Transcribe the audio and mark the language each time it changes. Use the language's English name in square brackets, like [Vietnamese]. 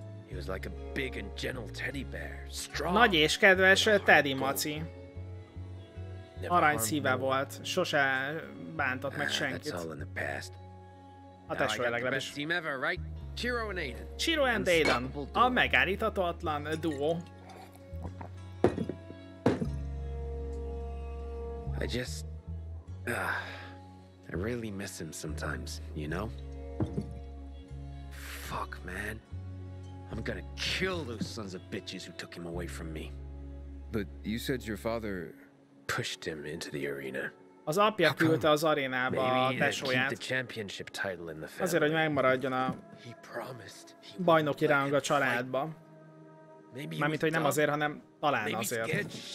[English] He was like a big and gentle teddy bear. Strong. [Hungarian] Nagy és kedves teddy maci. Arany szíve volt. Sose bántott meg senkit. [English] That's all in the past. [Hungarian] A tesó legalábbis. [English] Team ever, right? Chiro and Aiden. [Hungarian] Chiro and Aiden. A megállíthatatlan duo. [English] I just... I really miss him sometimes, you know? Fuck, man. I'm gonna kill those sons of bitches who took him away from me. But you said your father... pushed him into the arena. [Hungarian] Az apja küldte az arénába a tesóját. Azért, hogy megmaradjon a bajnoki ráng a családba. Mármint, hogy nem azért, hanem talán azért.